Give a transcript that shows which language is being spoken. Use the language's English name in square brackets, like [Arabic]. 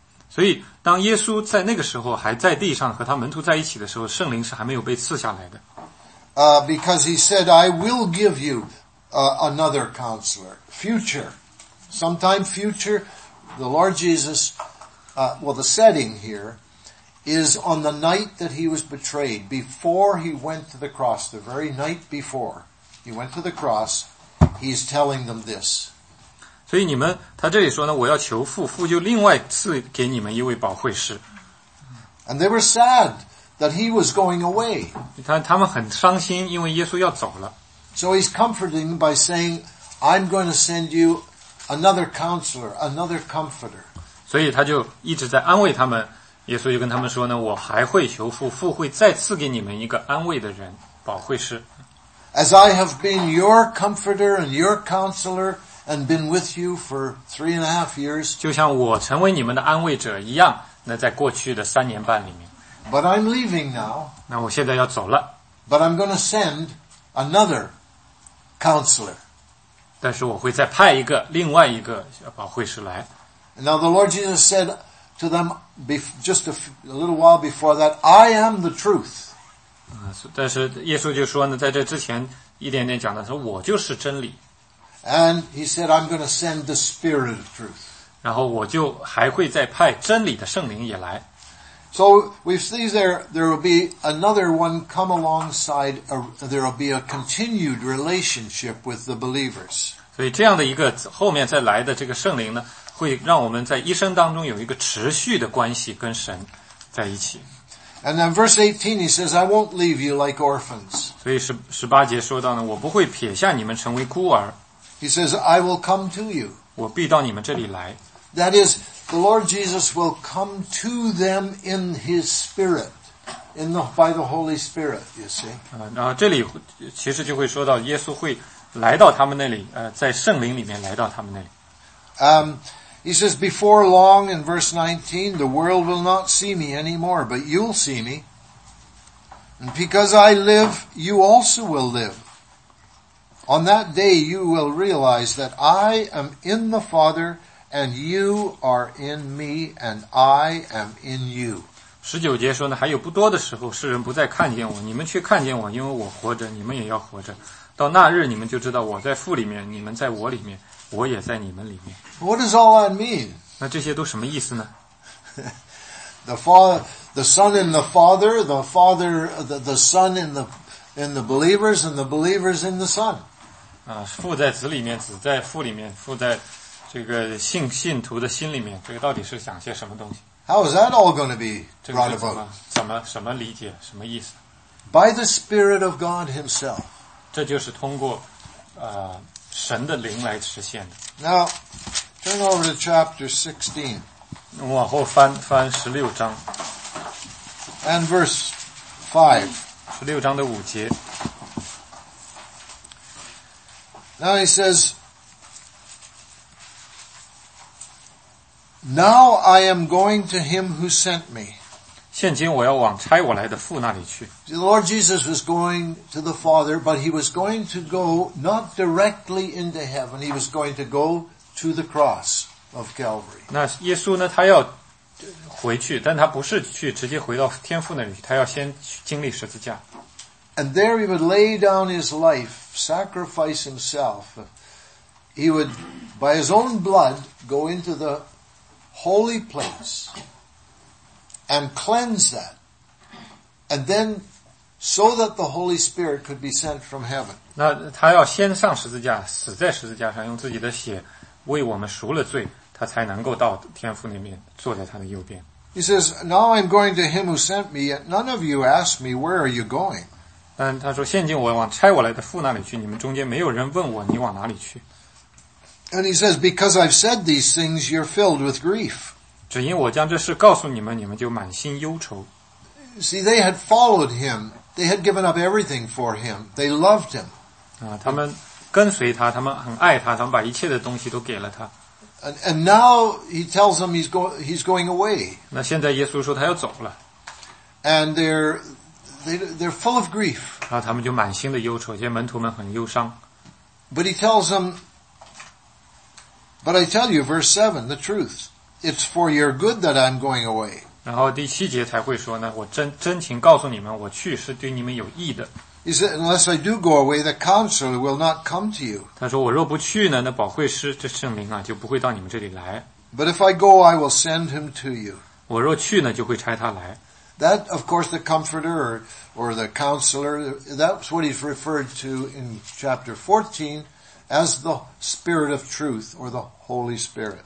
[Chinese] 所以当耶稣在那个时候还在地上和他门徒在一起的时候，圣灵是还没有被赐下来的。 [English] Because he said, "I will give you." Another counselor, future, sometime future, the Lord Jesus, the setting here is on the night that he was betrayed, before he went to the cross, the very night before he went to the cross, he's telling them this. [Chinese] 所以你们，他这里说呢，我要求父，父就另外赐给你们一位保惠师。 [English] And they were sad that he was going away. [Chinese] 他们很伤心，因为耶稣要走了。 [English] So he's comforting by saying, "I'm going to send you another counselor, another comforter." [Chinese] 所以他就一直在安慰他们。耶稣就跟他们说呢，我还会求父，父会再赐给你们一个安慰的人，保惠师。 [English] As I have been your comforter and your counselor and been with you for 3.5 years, [Chinese] 就像我成为你们的安慰者一样，那在过去的三年半里面。 [English] But I'm leaving now. [Chinese] 那我现在要走了。 [English] But I'm going to send. Another counselor. [Chinese] 但是我会再派一个另外一个保惠师来。 [English] Now the Lord Jesus said to them just a little while before that, "I am the truth." [Chinese] 但是耶稣就说呢，在这之前一点点讲的说，我就是真理。 [English] And he said, "I'm going to send the Spirit of Truth." [Chinese] 然后我就还会再派真理的圣灵也来。 [English] So we see there will be another one come alongside. There will be a continued relationship with the believers. [Chinese] 所以这样的一个后面再来的这个圣灵呢，会让我们在一生当中有一个持续的关系跟神在一起。 [English] And then verse 18, he says, "I won't leave you like orphans." [Chinese] 所以十八节说到呢，我不会撇下你们成为孤儿。 [English] He says, "I will come to you." [Chinese] 我必到你们这里来。 [English] That is. The Lord Jesus will come to them in His Spirit, by the Holy Spirit. You see. [Chinese] 然后这里其实就会说到耶稣会来到他们那里，在圣灵里面来到他们那里。 [English] He says, "Before long, in verse 19, the world will not see me anymore, but you'll see me. And because I live, you also will live. On that day, you will realize that I am in the Father." And you are in me, and I am in you. [Chinese] 十九节说呢，还有不多的时候，世人不再看见我，你们却看见我，因为我活着，你们也要活着。到那日，你们就知道我在父里面，你们在我里面，我也在你们里面。 [English] What does all that mean? [Chinese] 那这些都什么意思呢 [English] ？The Father, the Son, and the Father, the Father, the Son in the believers, and the believers in the Son. [Chinese] 父在子里面，子在父里面，父在。这个 信徒的心里面，这个到底是想些什么东西？ [English] How is that all going to be brought about? [Chinese] 这个是怎么理解，什么意思？ [English] By the Spirit of God Himself. [Chinese] 这就是通过神的灵来实现的。 [English] Now, turn over to chapter 16. [Chinese] 往后翻16章。 [English] And verse 5. [Chinese] 16章的五节。 [English] Now he says, Now I am going to him who sent me. [Chinese] 现今我要往差我来的父那里去。 [English] The Lord Jesus was going to the Father, but he was going to go not directly into heaven, he was going to go to the cross of Calvary. [Chinese] 那耶稣呢，他要回去，但他不是去直接回到天父那里去，他要先去经历十字架。 [English] And there he would lay down his life, sacrifice himself. He would, by his own blood, go into the holy place and cleanse that. And then, so that the Holy Spirit could be sent from heaven. [Chinese] 那他要先上十字架，死在十字架上，用自己的血为我们赎了罪，他才能够到天父那边，坐在他的右边。 [English] He says, Now I'm going to him who sent me, yet none of you ask me, Where are you going? [Chinese] 但他说现今我往差我来的父那里去，你们中间没有人问我你往哪里去。 [English] And he says, because I've said these things, you're filled with grief. [Chinese] 只因我将这事告诉你们，你们就满心忧愁。 [English] See, they had followed him. They had given up everything for him. They loved him. [Chinese] 他们跟随他，他们很爱他，他们把一切的东西都给了他。 [English] And now he tells them he's going away. [Chinese] 那现在耶稣说他要走了。 [English] And they're full of grief. [Chinese] 然后他们就满心的忧愁，这些门徒们很忧伤。 [English] But he tells them, but I tell you, verse 7, the truth. It's for your good that I'm going away. [Chinese] 然后第七节才会说呢，我真情告诉你们，我去是对你们有益的。 [English] He said, unless I do go away, the counselor will not come to you. [Chinese] 他说我若不去呢，那保惠师这圣灵啊就不会到你们这里来。 [English] But if I go, I will send him to you. [Chinese] 我若去呢，就会差他来。 [English] That, of course, the comforter or the counselor, that's what he's referred to in chapter 14 as the Spirit of Truth or the Holy Spirit.